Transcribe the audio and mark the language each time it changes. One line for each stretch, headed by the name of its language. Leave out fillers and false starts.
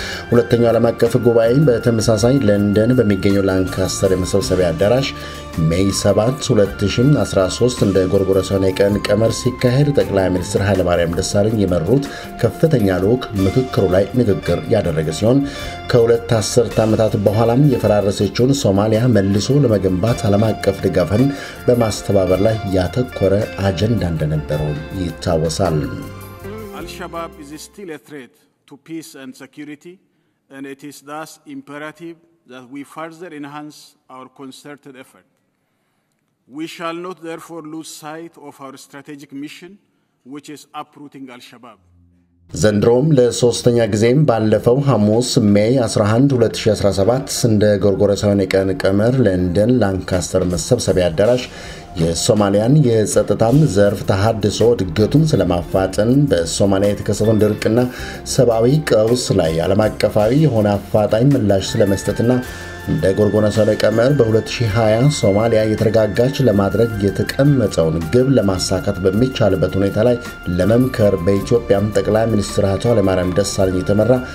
Amharic: ሁለተኛው ዓለም አቀፍ ጉባኤ በተመሳሳይ ለንደን በሚገኘው ላንካስተር የመሰብሰቢያ አዳራሽ May 7, 2013 እንደ ጎርጎረሳውያን ቀን ቀመር ሲካሄድ ጠቅላይ ሚኒስትር ኃይለማርያም ደሳለኝ የመሩት ከፍተኛ ልዑክ ምክክሩ ላይ ንግግር ያደረገ ሲሆን ከሁለት አስርት ዓመታት በኋላም የፈራረሰችውን ሶማሊያ መልሶ ለመገንባት ዓለም አቀፍ ድጋፍን በማስተባበር ላይ ያተኮረ አጀንዳ እንደነበረ ይታወሳል።
English: Al-Shabaab is still a threat to peace and security, and it is thus imperative that we further enhance our concerted effort. We shall not therefore lose sight of our strategic mission, which is uprooting Al-Shabaab.
Amharic: ዘንድሮም ለሶስተኛ ጊዜም ባለፈው ሐሙስ May 11 2017 እንደ ጎርጎረሳውያን ቀን ቀመር ለንደን ላንካስተር መሰብሰቢያ አዳራሽ የሶማሊያን የጸጥታም ዘርፍ ተሐድሶ ድግቱን ስለማፋጠን በሶማሊያ የተከሰተውን ድርቅና ሰብአዊ ቀውስ ላይ ዓለም አቀፋዊ የሆነ አፋጣኝ ምላሽ ስለመስጠትና እንደ ጎርጎረሳውያን ቀመር በ2020 ሶማሊያ የተረጋጋች ለማድረግ የተቀመጠውን ግብ ለማሳካት በሚቻልበት ሁኔታ ላይ ለመምከር በኢትዮጵያም ጠቅላይ ሚኒስትር አቶ ኃይለማርያም ደሳለኝ የተመራ